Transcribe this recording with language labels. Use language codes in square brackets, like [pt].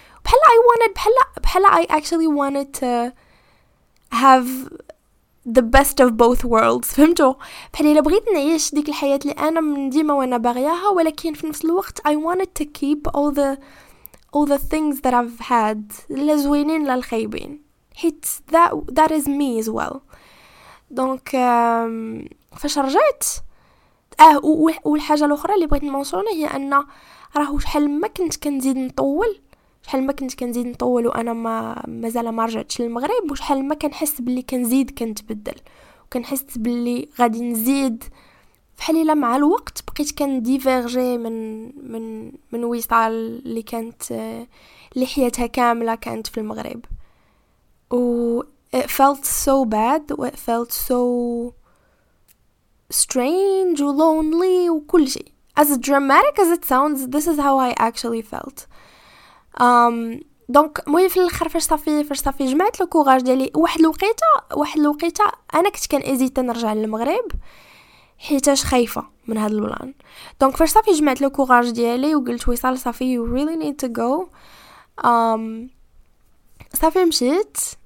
[en] بحال I actually wanted to have the best of both worlds. [ar] فهمتوا؟ بحال الا بغيت نعيش ديك الحياه اللي انا من ديما وانا باغياها، ولكن في نفس الوقت [en] I wanted to keep all the things that I've had، [ar] لا زوينين لا الخايبين، حيت [en] that is me as well. [ar] دونك فاش رجعت والحاجه الاخرى اللي بغيت نمونسيون هي ان راه شحال ما كنت كنزيد نطول، شحال ما كنت كنزيد نطول وانا مازال ما رجعتش للمغرب، وشحال ما كنحس بلي كنزيد كنتبدل، وكنحس بلي غادي نزيد. فحال الا مع الوقت بقيت كنديفيرجي من ويصال اللي كانت اللي حياتها كامله كانت في المغرب، و [en] it felt so bad [ar] و [en] it felt so strange [ar] و lonely و كل شيء. [en] As dramatic as it sounds, this is how I actually felt. [ar] دونك مهم في الاخر فاش صافي جمعت لو كوراج ديالي، واحد الوقيته انا كنت كنزيد نرجع للمغرب حيتاش خايفه من هذا البلان. دونك فاش صافي جمعت لو كوراج ديالي وقلت ويصال صافي [en] you really need to go، [ar] صافي مشيت.